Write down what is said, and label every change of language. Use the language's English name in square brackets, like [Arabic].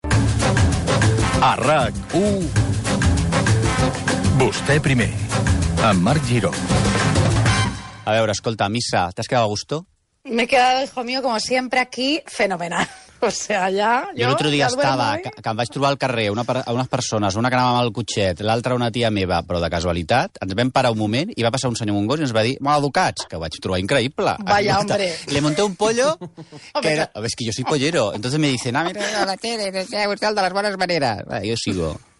[Catalan] A RAC 1, vostè primer, amb Marc Giró. A veure, escolta, Missa, t'has quedat a gusto? [Spanish] Me he quedado, hijo mío, como siempre aquí, fenomenal. O sea, allá... [Catalan] Yo l'altre dia estava, que em vaig trobar al carrer unes persones, una que anava amb el cotxet, l'altra una tia meva, però de casualitat, ens vam parar un moment i va passar un senyor amb un gos i ens va dir, maleducats, que ho vaig trobar increïble. [Spanish] Vaya, hombre. Le monté un pollo, que era... Es que yo soy pollero. Entonces me dice, no, mira, la tele, no sé, [Catalan] vostè el de les bones maneres. [Spanish] Va, yo sigo.